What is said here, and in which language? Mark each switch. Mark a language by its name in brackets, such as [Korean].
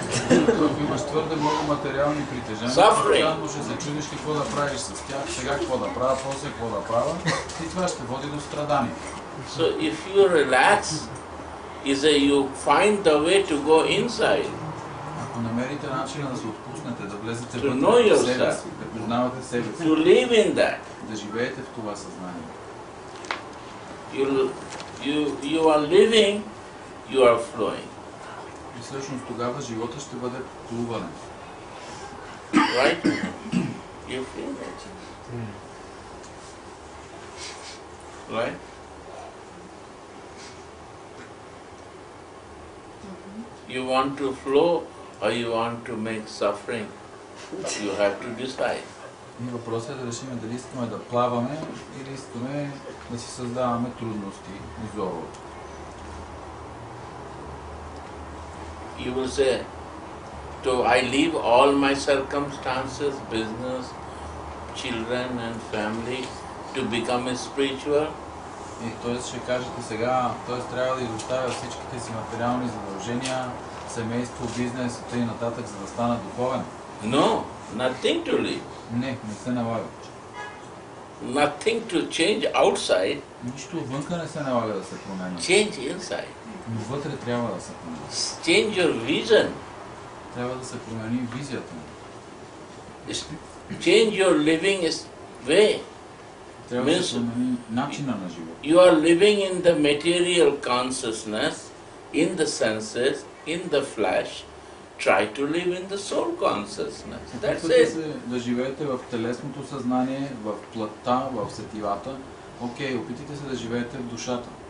[Bulgarian] Ако имаш твърде много материални притежания, постоянно ще се чудиш какво да правиш с тях, сега какво да правя, после какво да правя, и това ще води до страдания. [English] So if you relax, is that you find the way to go inside. [Bulgarian] Ако намерите начин да се отпуснете, да влезете вътре в себе си, да познавате себе си, [English] to live in that. [Bulgarian] Да живеете в това съзнание. [English] You are living, you are flowing. [Bulgarian] И всъщност тогава живота ще бъде плуване. [English] Right? You feel that. Right? You want to flow or you want to make suffering? You have to decide. [Bulgarian] И въпросът е да решим дали искаме да плаваме или искаме да си създаваме трудности и зло. [English] You will say, so I leave all my circumstances, business, children and family to become a spiritual. [Bulgarian] И т.е. ще кажете сега, т.е. трябва да изоставя всичките си материални задължения, семейство, бизнес и т.н. за да стана духовен? [English] No, nothing to leave. [Bulgarian] Не, не се налага. [English] Nothing to change outside. [Bulgarian] Нищо вънка не се налага да се променя. [English] Change inside. [Bulgarian] Но вътре трябва да се промени. [English] Change your vision. [Bulgarian] Трябва да се промени визията му. [English] Change your living way. [Bulgarian] Трябва да се промени начина на живота. [English] You are living in the material consciousness, in the senses, in the flesh. Try to live in the soul consciousness. That's it. [Bulgarian] Да живеете в телесното съзнание, в плътта, в сетивата. Окей, опитайте се да живеете в душата.